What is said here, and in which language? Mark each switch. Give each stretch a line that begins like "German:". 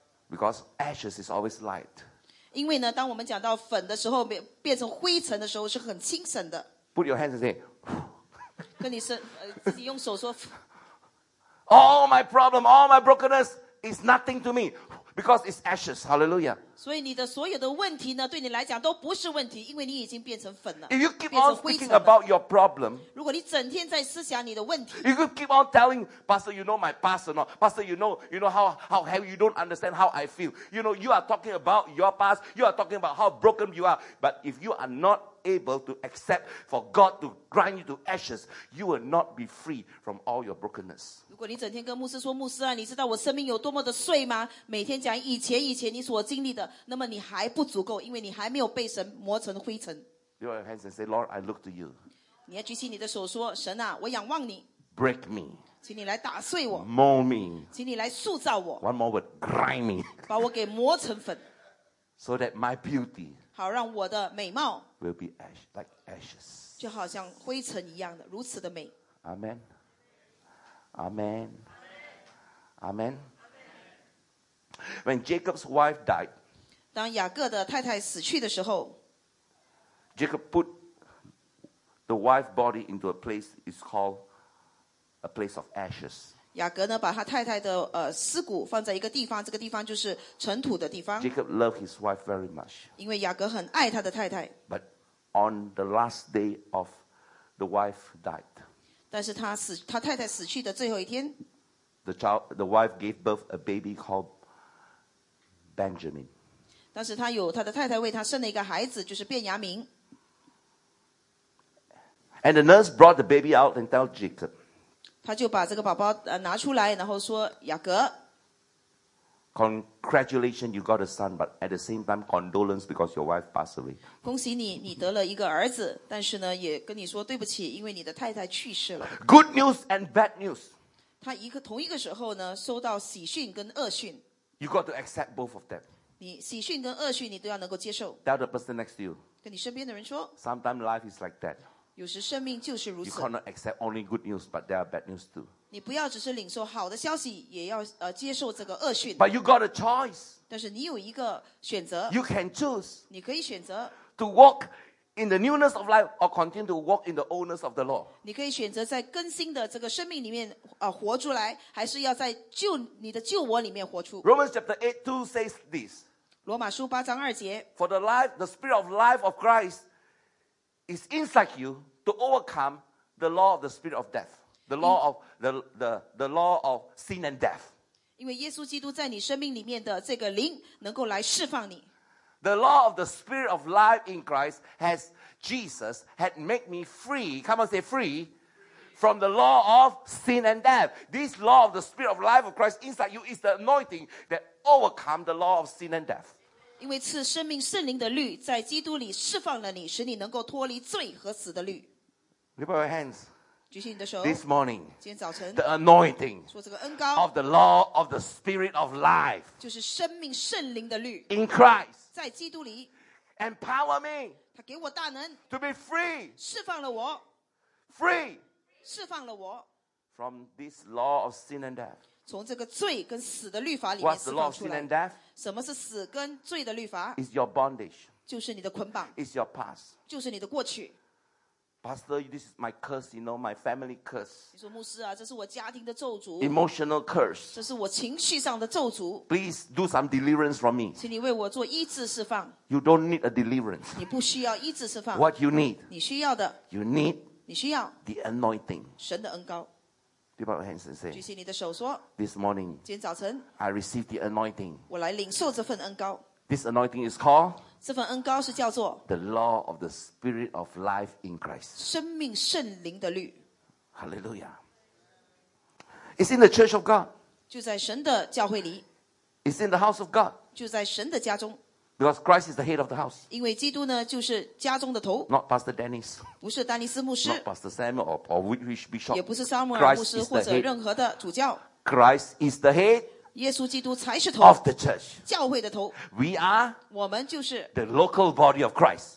English: Because ashes is always light. Because when we talk about grind, when it becomes ashes, it is very light. Put your hands and say, with your hands, say, All my problem, all my brokenness is nothing to me because it's ashes. Hallelujah.
Chinese: 所以你的所有的问题呢，对你来讲都不是问题，因为你已经变成粉了。
English: If you keep on speaking about your problem,
Chinese: 如果你整天在思想你的问题
English: ，If you keep on telling Pastor, you know my past or not? Pastor, you know how heavy you don't understand how I feel. You know you are talking about your past. You are talking about how broken you are. But if you are not able to accept for God to grind you to ashes, you will not be free from all your brokenness.
Chinese: 如果你整天跟牧师说，牧师啊，你知道我生命有多么的碎吗？每天讲以前你所经历的，那么你还不足够，因为你还没有被神磨成灰尘。
English: Your hands and say, Lord, I look to you.
Chinese: 你要举起你的手说，神啊，我仰望你。
English: Break me.
Chinese: 请你来打碎我。
English: Mold me.
Chinese: 请你来塑造我。
English: One more word, grind me.
Chinese: 把我给磨成粉。
English: So that my beauty.
Chinese: 好，让我的美貌。
English: Will be ash, like ashes.
Chinese: 就好像灰尘一样的，如此的美。
English: Amen. Amen. Amen. When Jacob's wife died,
Chinese: 当雅各的太太死去的时候
English: Jacob put the wife's body into a place is called a place of ashes.
Chinese: 雅各呢把他太太的尸骨放在一个地方，这个地方就是尘土的地方。
English: Jacob loved his wife very much.
Chinese: 因为雅各很爱他的太太。
English: But on the last day of the wife died.
Chinese: 但是他太太死去的最后一天
English: the wife gave birth a baby called Benjamin.
Chinese: 但是他的太太为他生了一个孩子，就是便雅明。
English: And the nurse brought the baby out and told Jacob.
Chinese: 他就把这个宝宝拿出来，然后说雅各。
English: Congratulations, you got a son, but at the same time, condolence because your wife passed away.
Chinese: 恭喜你，你得了一个儿子，但是呢，也跟你说对不起，因为你的太太去世了。
English: Good news and bad news.
Chinese: 他一个同一个时候呢，收到喜讯跟恶讯。
English: You got to accept both of them.
Chinese: 你喜讯跟恶讯，你都要能够接受。
English: Tell the person next to you.
Chinese: 跟你身边的人说。
English: Sometimes life is like that.
Chinese: 有时生命就是如此。
English: You cannot accept only good news, but there are bad news too.
Chinese: 你不要只是领受好的消息，也要接受这个恶讯。
English: But you got a choice.
Chinese: 但是你有一个选择。
English: You can choose.
Chinese: 你可以选择。
English: To walk in the newness of life or continue to walk in the oldness of the law.
Chinese: 你可以选择在更新的这个生命里面活出来，还是要在旧你的旧我里面活出。
English: Romans chapter 8:2 says this.
Chinese: 罗马书八章二节。
English: For the life, the spirit of life of Christ is inside you to overcome the law of the spirit of death, the law of the law of sin and death.
Chinese: 因为耶稣基督在你生命里面的这个灵能够来释放你。
English: The law of the spirit of life in Christ has Jesus had made me free. Come on, say free from the law of sin and death. This law of the spirit of life of Christ inside you is the anointing that overcome the law of sin and death.
Chinese: 因为赐生命圣灵的律在基督里释放了你，使你能够脱离罪和死的律。
English: Lift up your hands.
Chinese: 举起你的手,
English: this morning,
Chinese: 今天早晨,
English: the anointing
Chinese: 说这个恩膏,
English: of the law of the spirit of life
Chinese: 就是生命圣灵的律,
English: in Christ
Chinese: 在基督里,
English: empower me
Chinese: 他给我大能,
English: to be free
Chinese: 释放了我,
English: free
Chinese: 释放了我,
English: from this law of sin and death
Chinese: 从这个罪跟死的律法里面释放出来,
English: what's the law of sin and death?
Chinese: 什么是死跟罪的律法?
English: It's your bondage
Chinese: 就是你的捆绑,
English: it's your past
Chinese: 就是你的过去。
English: Pastor, this is my curse, you know, my family curse.
Chinese: 你说牧师啊，这是我家庭的咒诅。
English: Emotional curse.
Chinese: 这是我情绪上的咒诅。
English: Please do some deliverance from me.
Chinese: 请你为我做医治释放。
English: You don't need a deliverance.
Chinese: 你不需要医治释放。
English: What you need.
Chinese: 你需要的。
English: You need.
Chinese: 你需要。
English: The anointing.
Chinese: 神的恩膏。
English: Lift up your hands and say.
Chinese: 举起你的手说。
English: This morning.
Chinese: 今天早晨。
English: I receive the anointing.
Chinese: 我来领受这份恩膏。
English: This anointing is called.
Chinese: 这份恩膏是叫做
English: The law of the spirit of life in Christ
Chinese: 生命圣灵的律
English: Hallelujah It's in the church of God
Chinese: 就在神的教会里
English: It's in the house of God
Chinese: 就在神的家中
English: Because Christ is the head of the house
Chinese: 因为基督呢就是家中的头
English: Not Pastor Dennis
Chinese: 不是丹尼斯牧师
English: Not Pastor Samuel or which bishop
Chinese: 也不是 Samuel 牧师或者任何的主教
English: Christ is the head
Chinese: 耶稣基督才是头
English: of the church
Chinese: 教会的头
English: we are
Chinese: 我们就是
English: the local body of Christ